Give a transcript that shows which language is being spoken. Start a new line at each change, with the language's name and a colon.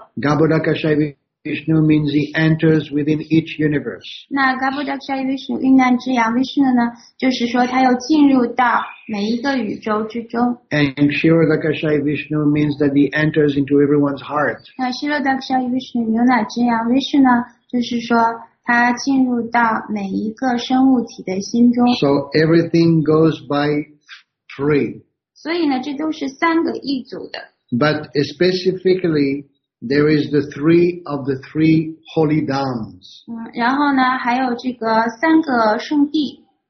English: Gabodakashai Vishnu means he enters within each universe.
Chinese: 那 Gabodakashai Vishnu 云南之阳 Vishnu 呢，就是说他又进入到每一个宇宙之中。
English: And Shirodakashai Vishnu means that he enters into everyone's heart.
Chinese: 那 Shirodakashai Vishnu 牛奶之阳 Vishnu 呢，就是说。它进入到每一个生物体的心中。
English: So everything goes by three.
Chinese: 所以呢，这都是三个一组的。
English: But specifically, there is the three of the three holy dhams.
Chinese: 然后呢，还有这个三个圣地。